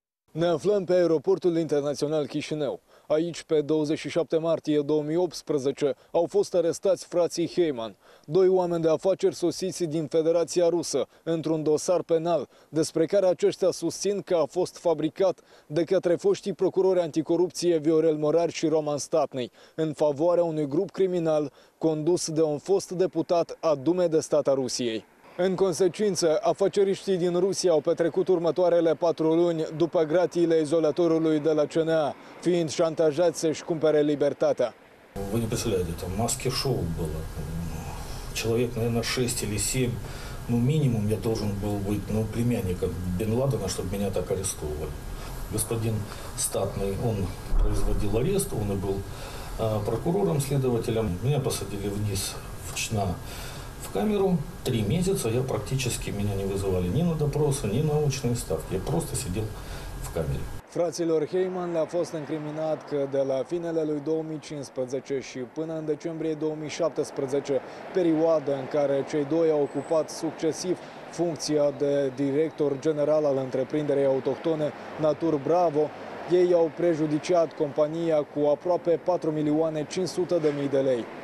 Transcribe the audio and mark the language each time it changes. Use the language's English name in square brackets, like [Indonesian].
[Romanian] Ne aflăm pe aeroportul internațional Chișinău. Aici, pe 27 martie 2018, au fost arestați frații Heyman, doi oameni de afaceri sosiți din Federația Rusă, într-un dosar penal, despre care aceștia susțin că a fost fabricat de către foștii procurori anticorupție Viorel Morar și Roman Statnic, în favoarea unui grup criminal condus de un fost deputat a Dumei de Stat a Rusiei. În consecință, afaceriștii din Rusia au petrecut următoarele 4 luni după gratiile izolatorului de la CNA, fiind șantajați să-și cumpere libertatea. Vă nu presupuneți, [Russian] там маски шоу было. Человек, наверное, 6 или 7, ну минимум я должен был быть, ну, племянником Бен Ладена, чтобы меня так арестовывали. Господин Статный, он производил арест, он и был прокурором, следователем. Меня посадили вниз в ЧНА. Камеру 3 месяца я практически меня не вызывали ни на допросы, ни на научные ставки. Я просто сидел в камере. [Romanian] Fraților Heyman le-a fost incriminat că de la finele lui 2015 și până în decembrie 2017, perioada în care cei doi au ocupat succesiv funcția de director general al întreprinderii autohtone Natur Bravo, ei au prejudiciat compania cu aproape 4.500.000 de lei.